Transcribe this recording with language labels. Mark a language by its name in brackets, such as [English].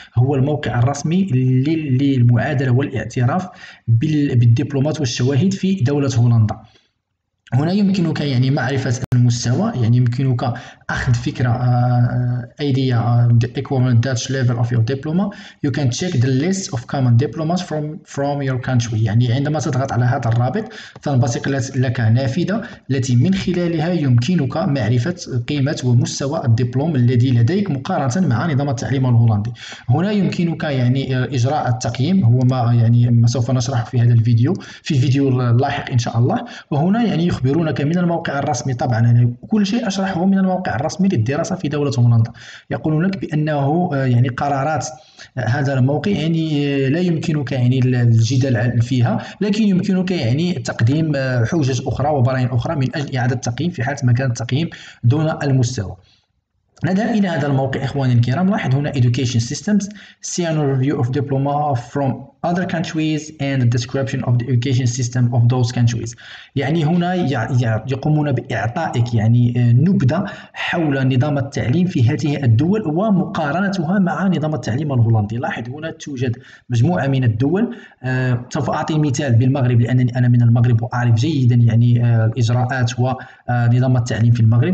[Arabic] هو الموقع الرسمي للمعادلة والاعتراف بالدبلومات والشواهد في دولة هولندا. هنا يمكنك يعني معرفة المستوى، يعني يمكنك أخذ فكرة [English] idea the equivalent Dutch level of your diploma. You can check the list of common diplomas from your country. [Arabic] يعني عندما تضغط على هذا الرابط تنبثق لك نافذة التي من خلالها يمكنك معرفة قيمة ومستوى الدبلوم الذي لديك مقارنة مع نظام التعليم الهولندي. هنا يمكنك يعني إجراء التقييم، هو ما يعني ما سوف نشرح في هذا الفيديو في الفيديو اللاحق إن شاء الله. وهنا يعني يخبرونك من الموقع الرسمي، طبعا يعني كل شيء أشرحه من الموقع الرسمي للدراسة في دولة هولندا. يقولون لك بأنه يعني قرارات هذا الموقع يعني لا يمكنك يعني الجدل فيها، لكن يمكنك يعني تقديم حجج أخرى وبراهين أخرى من أجل إعادة التقييم في حال ما كان التقييم دون المستوى. نذهب إلى هذا الموقع إخواني الكرام. لاحظ هنا [English] Education Systems, Senior Review of Diploma from Other Countries and the Description of the Education System of Those Countries. [Arabic] يعني هنا يقومون بإعطائك يعني نبذة حول نظام التعليم في هذه الدول ومقارنتها مع نظام التعليم الهولندي. لاحظ هنا توجد مجموعة من الدول. سوف أعطي مثال بالمغرب لأنني أنا من المغرب وأعرف جيدا يعني الإجراءات ونظام التعليم في المغرب.